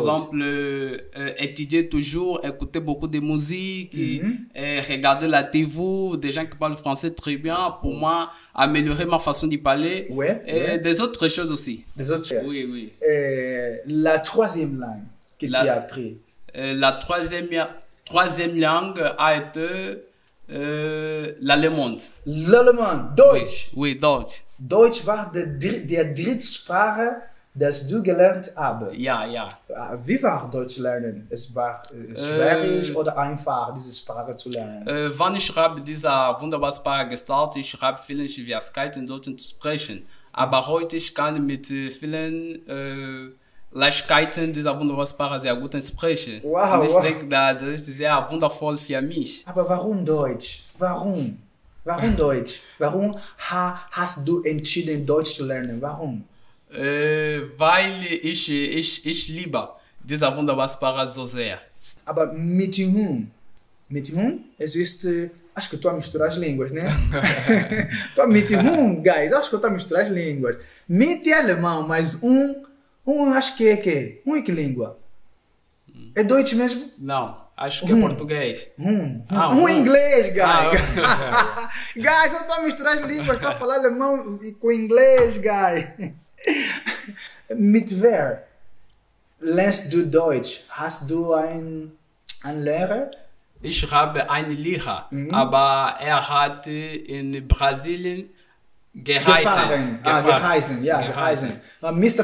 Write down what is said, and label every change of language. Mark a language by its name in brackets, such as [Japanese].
[French] exemple, étudier toujours, écouter beaucoup de musique, regarder la TV, des gens qui parlent français très bien, pour moi, améliorer ma façon d'y parler, et Ouais. des autres choses aussi. Des autres. Oui. La troisième langue que tu as appris. La troisième langue a été L'Allemand. L'Allemand, Oui, [German] Deutsch. Deutsch. Deutsch war der Drittsprache, das du gelernt habe. Ja. Wie war Deutsch lernen? Es war schwierig oder einfach, diese Sprache zu lernen? Wann ich habe dieser wunderbare Sprache gestartet, ich habe viele Schwierigkeiten, dort zu sprechen. Aber heute ich kann ich mit vielen Leichtigkeiten dieser wunderbaren Sprache sehr gut sprechen. Und ich Wow. denke, das ist sehr wundervoll für mich. Aber warum Deutsch? Warum? Warum Deutsch? Warum hast du entschieden, Deutsch zu lernen? Warum? Weil ich liebe diese wunderbare Sprache so sehr. Aber mit whom? Mit whom? Existe. [Portuguese] Acho que eu estou a misturar as línguas, né? Estou a meter um, guys. Acho que eu estou a misturar as línguas. Mete alemão, mas acho que é quê? Um e que língua? É Deutsch mesmo? Não, acho que é português. Um inglês, guys. Ah, Guys, eu estou a misturar as línguas. Estou a falar alemão com inglês, guys. [German] Mit wer lernst du Deutsch? Hast du ein Lehrer? ich habe einen Lehrer, aber er hat in Brasilien Gefahren, gefahren, gereisen, ja, gereisen. gereisen. Mr.